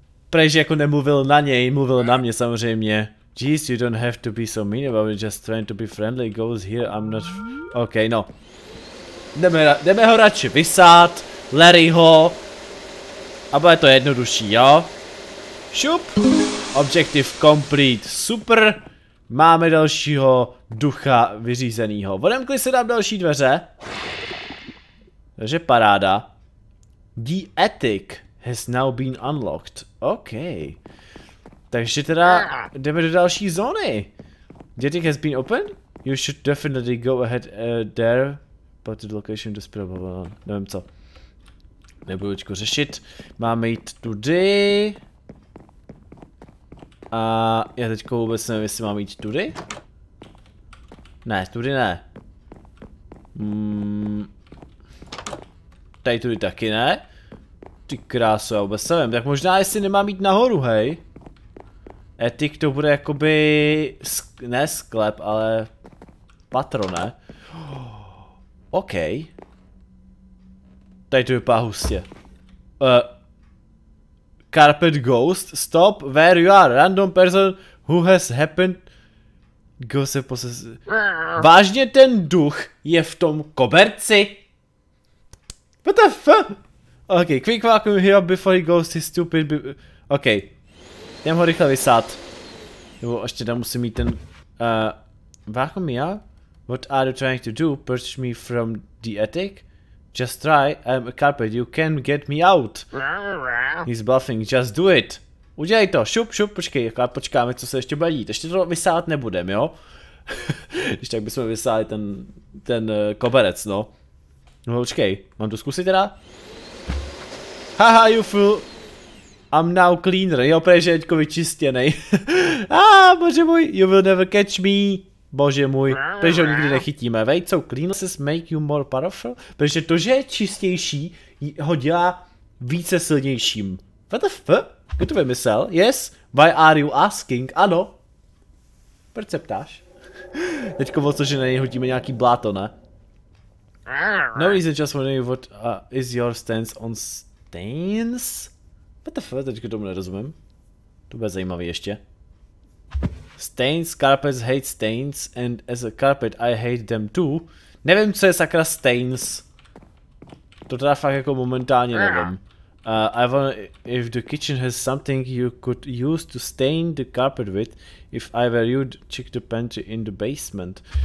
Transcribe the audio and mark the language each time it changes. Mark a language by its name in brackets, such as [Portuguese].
[Czech] Prej, že jako nemluvil na něj, mluvil na mě samozřejmě. [English] Jeez, you don't have to be so mean about it, just trying to be friendly, goes here, I'm not... [Czech] OK, no. Jdeme ho radši vysát, Larryho. A bude to jednodušší, jo? Šup! [English] Objective complete, [Czech] super. Máme dalšího ducha vyřízenýho. Odemkli se nám další dveře. Takže paráda. [English] The attic has now been unlocked. OK. [Czech] Takže teda jdeme do další zóny. [English] The attic has been opened? You should definitely go ahead there. But the location is probably... [Czech] Nevím co. Nebudu teďko řešit. Máme jít tudy. A já teďko vůbec nevím, jestli mám jít tudy. Ne, tudy ne. Tady tudy taky ne. Ty krásu, já vůbec nevím. Tak možná jestli nemám jít nahoru, hej. Etik to bude jakoby... ne sklep, ale... patro, ne? OK. Tady to vypadá hustě. [English] Carpet ghost, stop where you are, random person who has happened... [Czech] Ghost se poses... Vážně ten duch je v tom koberci? [English] What the fuck? OK, quick vacuum here before he goes to stupid... [Czech] OK. Jdem ho rychle vysát. Nebo ještě tam musím mít ten... [English] vacuum here? What are you trying to do? Purge me from the attic? Just try, I'm a carpet, you can get me out. He's bluffing, just do it. [Czech] Udělej to, šup, šup, počkej, jako počkáme, co se ještě bude dít. Ještě to vysávat nebudem, jo? Když tak bychom vysáli ten koberec, no. No počkej, mám to zkusit teda? [English] Haha, you fool. I'm now cleaner, [Czech] jo, protože je vyčistěný. [English] Ah, [Czech] bože můj, [English] you will never catch me. [Czech] Bože můj, protože ho nikdy nechytíme, vej, co, [English] cleanliness make you more powerful? [Czech] Protože to, že je čistější, ho dělá více silnějším. [English] What the f? [Czech] Kdo to vymyslel? [English] Yes? Why are you asking? [Czech] Ano. Proč se ptáš? Teďko o to, že na něj hodíme nějaký bláto, ne? [English] No reason, just wondering what is your stance on stains? What the f? [Czech] Teďko tomu nerozumím. To bude zajímavý ještě. [English] Stains, carpets hate stains, and as a carpet I hate them too. [Czech] Nevím, co je sakra stains. To teda fakt jako momentálně nevím. [English] I wonder if the kitchen has something you could use to stain the carpet with, if I were you'd check the pantry in the basement.